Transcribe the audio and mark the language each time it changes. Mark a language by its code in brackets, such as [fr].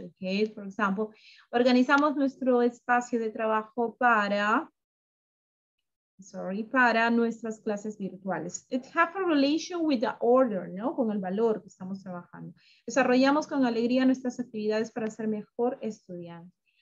[en] Okay, for example, [es] organizamos nuestro espacio de trabajo para nuestras clases virtuales. [en] It has a relation with the order, ¿no? [es] Con el valor que estamos trabajando. Desarrollamos con alegría nuestras actividades para ser mejor estudiante.